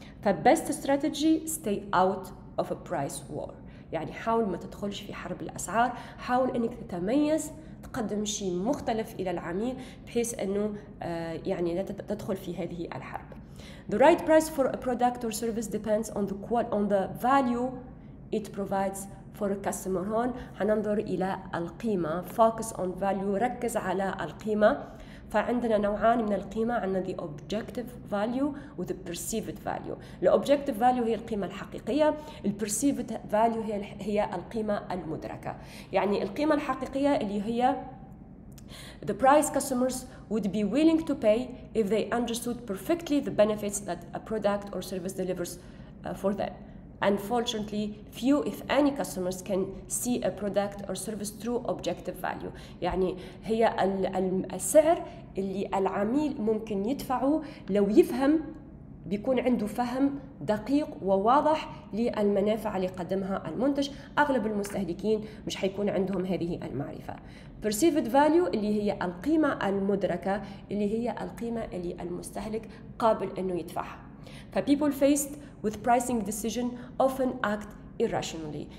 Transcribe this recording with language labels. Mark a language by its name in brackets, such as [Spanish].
[Arabic] فبست استراتيجي [English] stay out of a price war، [Arabic] يعني حاول ما تدخلش في حرب الأسعار، حاول أنك تتميز، تقدم شيء مختلف إلى العميل بحيث أنه يعني لا تدخل في هذه الحرب. [English] The right price for a product or service depends on the value it provides for a customer. [Arabic] هون هننظر إلى القيمة، [English] focus on value، [Arabic] ركز على القيمة. فعندنا نوعان من القيمة، عندنا [English] the objective value with the perceived value. The objective value [Arabic] هي القيمة الحقيقية، [English] the perceived value [Arabic] هي القيمة المدركة. يعني القيمة الحقيقية اللي هي [English] the price customers would be willing to pay if they understood perfectly the benefits that a product or service delivers for them. Unfortunately, few if any customers can see a product or service true objective value. [Arabic] يعني هي السعر اللي العميل ممكن يدفعه لو يفهم، بيكون عنده فهم دقيق وواضح للمنافع اللي قدمها المنتج. أغلب المستهلكين مش حيكون عندهم هذه المعرفة. Perceived value اللي هي القيمة المدركة، اللي هي القيمة اللي المستهلك قابل أنه يدفعها. [English] People faced with pricing decision often act irrationally.